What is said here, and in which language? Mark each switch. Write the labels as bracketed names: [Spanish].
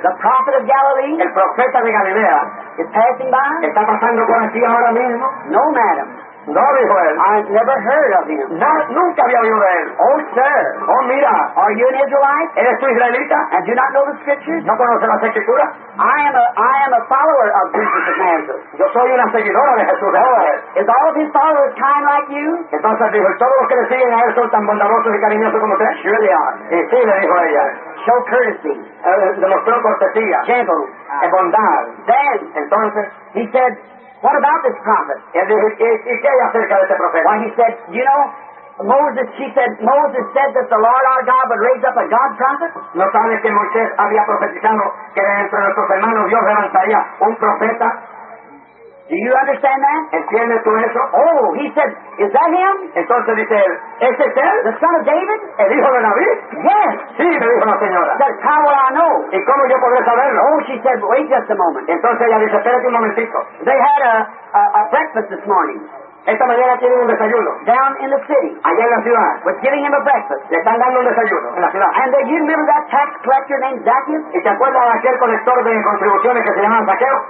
[English] The prophet of Galilee? [Spanish] El profeta de Galilea. [English] Is passing by? [Spanish] ¿Está pasando por aquí ahora mismo? [English] No, madam. [Spanish] No, dijo él. [English] I've never heard of him. [Spanish] No, nunca había oído de él. [English] Oh, sir. [Spanish] Oh, mira. [English] Are you an Israelite? [Spanish] ¿Eres tú israelita? [English] And do not know the scriptures? [Spanish] ¿No conoces las escrituras? [English] I am a follower of Jesus of Nazareth. [Spanish] Yo soy una seguidora de Jesús. [English] Oh, is all of his followers kind like you? [Spanish] Entonces dijo, ¿todos los que le siguen a él son tan bondadosos y cariñosos como usted? [English] Sure they are. [Spanish] Y sí, le dijo ella. [English] Show courtesy. [Spanish] Demostró cortesía. [English] Gentle. [Spanish] Y bondad. [English] Then, [Spanish] entonces, [English] he said, what about this prophet? Why, he said, you know, Moses said that the Lord our God would raise up a God prophet? [Spanish] ¿No sabes que Moisés había profetizado que entre nuestros hermanos Dios levantaría un profeta? [English] Do you understand that? [Spanish] ¿Entiendes tú eso? [English] Oh, he said, is that him? [Spanish] Entonces dice él, ¿es este él? [English] The son of David? [Spanish] ¿El hijo de David? [English] Yes. [Spanish] Sí, le dijo la señora. [English] Said, how will I know? [Spanish] ¿Y cómo yo podré saberlo? [English] Oh, she said, wait just a moment. [Spanish] Entonces ella dice, espérate un momentito. [English] They had a breakfast this morning. [Spanish] Esta mañana tienen un desayuno. [English] Down in the city. [Spanish] Allá en la ciudad. [English] Was giving him a breakfast. [Spanish] Le están dando un desayuno en la ciudad. [English] And you remember that tax collector named Zacchaeus? [Spanish] ¿Y te acuerdas de aquel colector de contribuciones que se llamaba Zaqueo?